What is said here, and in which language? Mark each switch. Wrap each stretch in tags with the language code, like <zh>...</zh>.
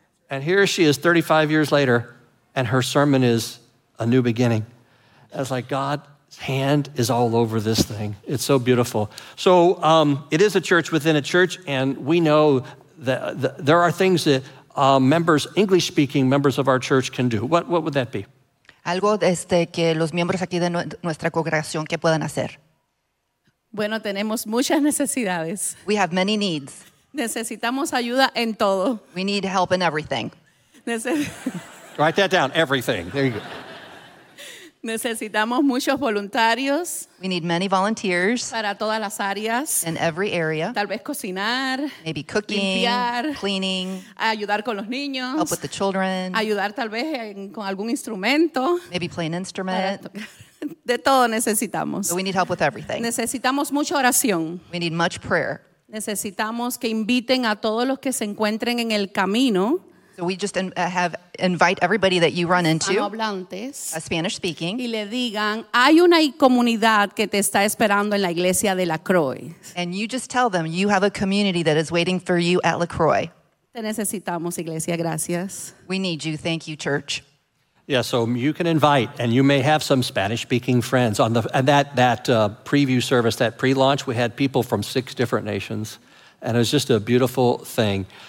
<en>And here she is 35 years later, and her sermon is a new beginning. And it's like God's hand is all over this thing. It's so beautiful. So it is a church within a church, and we know that there are things that members, English-speaking members of our church can do. What would that be?</en> <es>Algo que los miembros aquí de nuestra congregación que puedan hacer. Bueno, tenemos muchas necesidades.</es> <en>We have many needs.</en> <es>Necesitamos ayuda en todo.</es> <en>We need help in everything. Write that down, everything. There you go.</en> <es>Necesitamos muchos voluntarios.</es> <en>We need many volunteers.</en> <es>Para todas las áreas.</es> <en>In every area.</en> <es>Tal vez cocinar.</es> <en>Maybe cooking.</en> <es>Limpiar.</es> <en>Cleaning.</en> <es>Ayudar con los niños.</es> <en>Help with the children.</en> <es>Ayudar tal vez con algún instrumento.</es> <en>Maybe play an instrument.</en> <es>De todo necesitamos.</es> <en>So we need help with everything.</en> <es>Necesitamos mucha oración.</es> <en>We need much prayer.</en> <es>Necesitamos que inviten a todos los que se encuentren en el camino.</es> <en>So we just invite everybody that you run into,</en> <es>hispanohablantes,</es> <en>a Spanish speaking,</en> <es>y le digan, hay una comunidad que te está esperando en la iglesia de LaCroix.</es> <en>And you just tell them, you have a community that is waiting for you at LaCroix.</en> <es>Te necesitamos, iglesia, gracias.</es> <en>We need you, thank you, church. Yeah, so you can invite, and you may have some Spanish-speaking friends. On that preview service, that pre-launch, we had people from 6 different nations, and it was just a beautiful thing.</en>